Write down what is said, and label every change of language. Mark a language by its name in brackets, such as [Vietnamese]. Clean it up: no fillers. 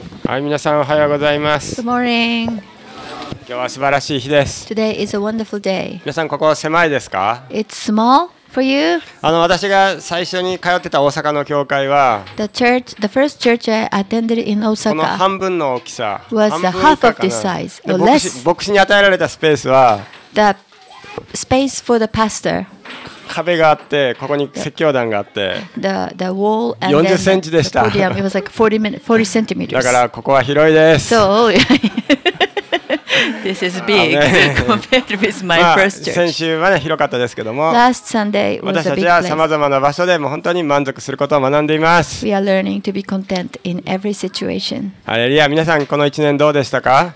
[Japanese] はい、皆さんおはようございます。 [English] Good morning. [Japanese] 今日は素晴らしい日です。 [English] Today is a wonderful day. [Japanese] 皆さんここ狭いですか？ [English] It's small for you. [Japanese] 私が最初に通ってた大阪の教会は [English] The church, the first church I attended in Osaka [Japanese] この半分の大きさ [English] was a half of this size or less. [Japanese] 牧師に与えられたスペースは [English] The space for the pastor. [Japanese] 壁があってここに説教壇があって [English] the wall and [Japanese] 40センチでした。 [English] the podium, it was like 40 centimeters. [Japanese] だからここは広いです。 [English] So, this is big compared with my first church. [Japanese] 先週は、ね、広かったですけども [English] Last Sunday was a big place. [Japanese] 私たちは様々な場所でも本当に満足することを学んでいます。 [English] We are learning to be content in every situation. [Japanese] ハレルヤ、皆さんこの1年どうでしたか？